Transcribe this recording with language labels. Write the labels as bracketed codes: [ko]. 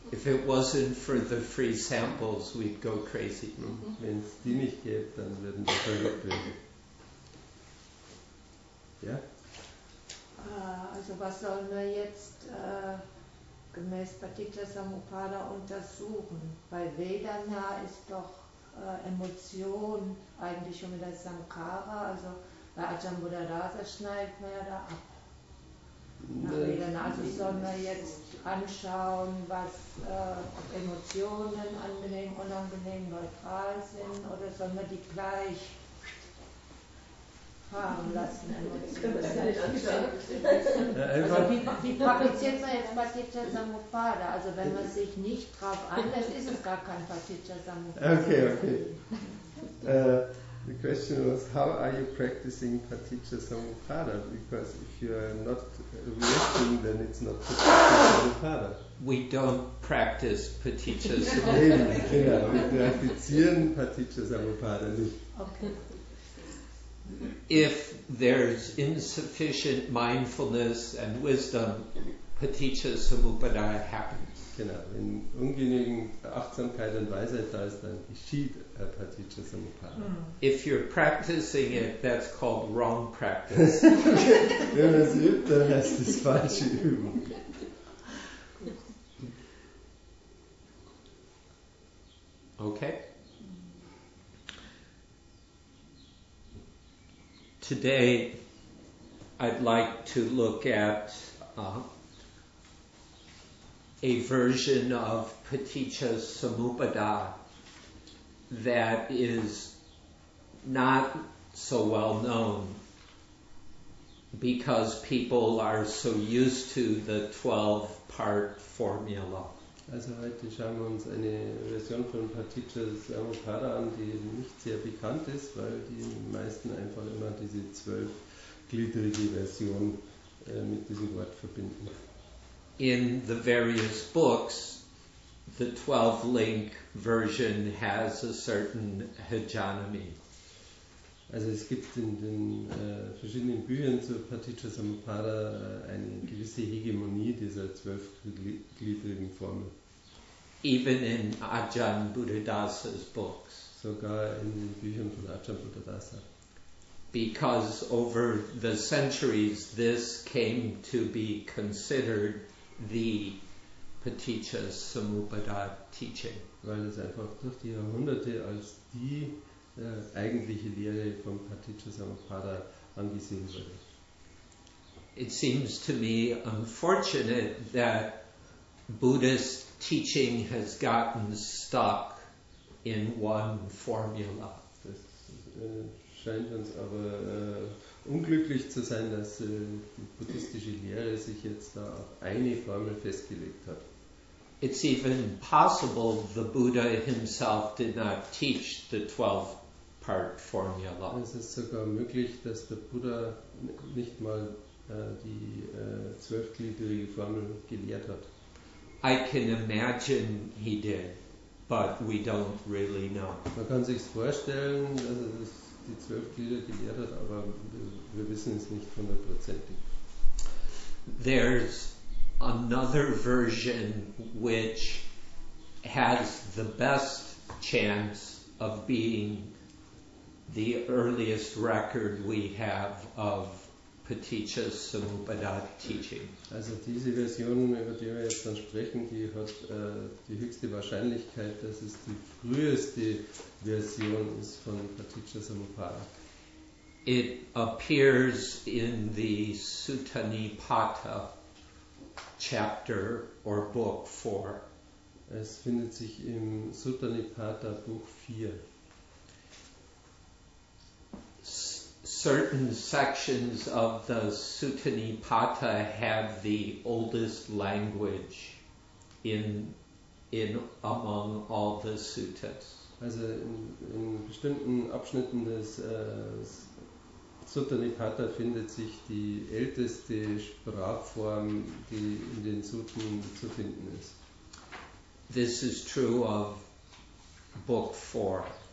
[en] If it wasn't for the free samples, we'd go crazy. [de] Wenn es die nicht gäbe, dann würden wir verrückt werden. Ja? Also was sollen wir jetzt... gemäß Paticca Samuppada untersuchen, weil Vedana ist doch Emotion eigentlich schon wieder Sankara, also bei Ajahn Buddhadasa schneidet man ja da ab. Nach Vedana, also sollen wir jetzt anschauen, was Emotionen angenehm, unangenehm, neutral sind, oder sollen wir die gleich haben lassen. Also wie praktiziert man jetzt Paticca Samuppada? Also wenn man sich nicht drauf einlässt, ist es gar kein Paticca Samuppada. Okay, okay. [en] The question was, how are you practicing Paticca Samuppada? Because if you're not reacting, then it's not Paticca Samuppada. We don't practice Paticca Samuppada. [de] Genau, wir praktizieren Paticca Samuppada nicht. Okay. [en] If there's insufficient mindfulness and wisdom, Paticca Samuppada happens. [de] Genau, wenn ungenügend Achtsamkeit und Weisheit da ist, dann geschieht Paticca Samuppada. Mm. [en] If you're practicing it, that's called wrong practice. [de] Wenn man es übt, dann heißt es falsche Übung. Okay. [en] Today, I'd like to look at a version of Paticca Samuppada that is not so well known because people are so used to the 12-part formula. [de] Also heute schauen wir uns eine Version von Paticca Samuppada an, die nicht sehr bekannt ist, weil die meisten einfach immer diese zwölfgliedrige Version mit diesem Wort verbinden. [en] In the various books, the 12-link version has a certain hegemony. [de] Also es gibt in den verschiedenen Büchern zu Paticca Samuppada eine gewisse Hegemonie dieser zwölfgliedrigen Formel. [en] Even in Ajahn Buddhadasa's books. [de] Sogar in den Büchern von Ajahn Buddhadasa. [en] Because over the centuries this came to be considered the Paticca Samuppada teaching. [de] Weil es einfach durch die Jahrhunderte als die eigentliche Lehre von Paticca Samuppada angesehen wurde. [en] It seems to me unfortunate that Buddhist teaching has gotten stuck in one formula. [de] Das scheint uns aber unglücklich zu sein, dass die buddhistische Lehre sich jetzt da auf eine Formel festgelegt hat. [en] It's even possible the Buddha himself did not teach the 12-part formula. [de] Es ist sogar möglich, dass der Buddha nicht mal die zwölfgliedrige Formel gelehrt hat. [en] I can imagine he did, but we don't really know. [de] Man kann sich vorstellen, dass er die zwölf Glieder gelehrt hat, aber wir wissen es nicht hundertprozentig. [en] There's another version which has the best chance of being the earliest record we have of Paticca Samuppada teaching. [de] Also diese Version, über die wir jetzt dann sprechen, die hat die höchste Wahrscheinlichkeit, dass es die früheste Version ist von Paticca Samuppada. [en] It appears in the Suttanipata chapter or book 4. [de] Es findet sich im Suttanipata Buch 4. [en] Certain sections of the Suttanipata have the oldest language in among all the suttas. [de] Also in bestimmten Abschnitten des Suttanipata findet sich die älteste Sprachform, die in den Sutten zu finden ist. [en] This is true of Book 4.